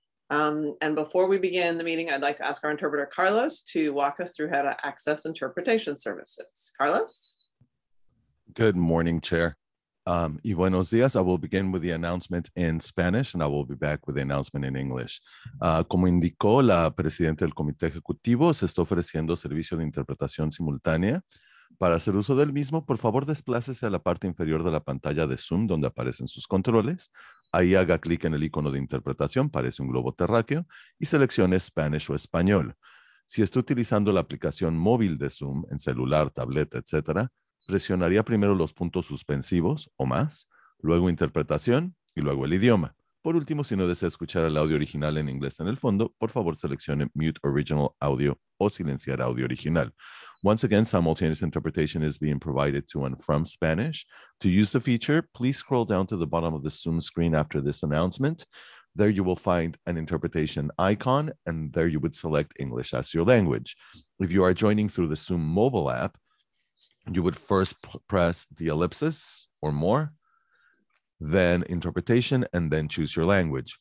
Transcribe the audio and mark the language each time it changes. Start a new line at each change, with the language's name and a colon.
English: And before we begin the meeting, I'd like to ask our interpreter, Carlos, to walk us through how to access interpretation services. Carlos? Good morning, Chair. Y buenos días. I will begin with the announcement in Spanish and I will be back with the announcement in English.
Spanish: Como indicó la presidenta del Comité Ejecutivo, se está ofreciendo servicio de interpretación simultánea. Para hacer uso del mismo, por favor, desplácese a la parte inferior de la pantalla de Zoom donde aparecen sus controles. Ahí haga clic en el icono de interpretación, parece un globo terráqueo, y seleccione Spanish o Español. Si está utilizando la aplicación móvil de Zoom en celular, tableta, etc., presionaría primero los puntos suspensivos o más, luego interpretación y luego el idioma. Por último, si no desea escuchar el audio original en inglés en el fondo, por favor seleccione Mute Original Audio o Silenciar Audio Original.
English: Once again, simultaneous interpretation is being provided to and from Spanish. To use the feature, please scroll down to the bottom of the Zoom screen after this announcement. There you will find an interpretation icon, and there you would select English as your language. If you are joining through the Zoom mobile app, you would first press the ellipsis or more, then interpretation, and then choose your language.